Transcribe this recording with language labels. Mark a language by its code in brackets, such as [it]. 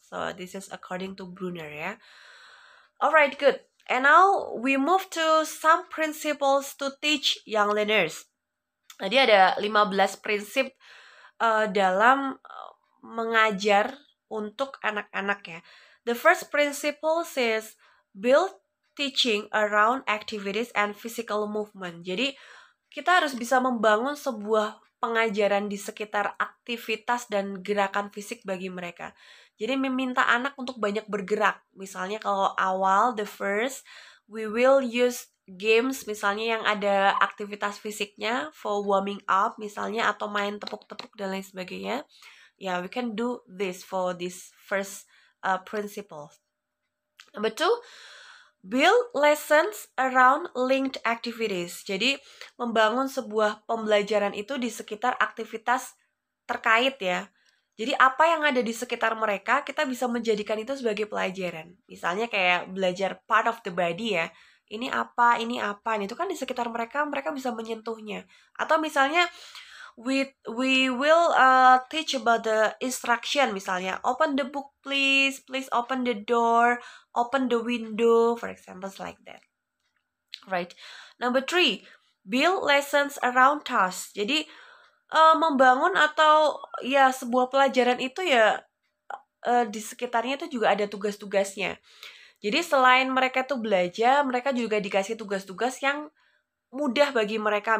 [en] So, this is according to Brunner ya. Alright, good. And now we move to some principles to teach young learners. [id] Jadi ada 15 prinsip dalam mengajar untuk anak-anak ya. [en] The first principle says build teaching around activities and physical movement. [id] Jadi kita harus bisa membangun sebuah pengajaran di sekitar aktivitas dan gerakan fisik bagi mereka. Jadi meminta anak untuk banyak bergerak. Misalnya kalau awal, [en] the first, we will use games [id] misalnya yang ada aktivitas fisiknya [en] for warming up [id] misalnya atau main tepuk-tepuk dan lain sebagainya. [en] Yeah, we can do this for this first principle. Number two, build lessons around linked activities. [id] Jadi membangun sebuah pembelajaran itu di sekitar aktivitas terkait ya. Jadi apa yang ada di sekitar mereka, kita bisa menjadikan itu sebagai pelajaran. Misalnya kayak belajar [en] part of the body [id] ya. Ini apa, itu kan di sekitar mereka, mereka bisa menyentuhnya. Atau misalnya, [en] we will teach about the instruction [id] misalnya. [en] Open the book please, please open the door, open the window, for example like that. Right. Number three, build lessons around tasks. [id] Jadi, membangun atau ya sebuah pelajaran itu ya di sekitarnya itu juga ada tugas-tugasnya. Jadi selain mereka tuh belajar, mereka juga dikasih tugas-tugas yang mudah bagi mereka.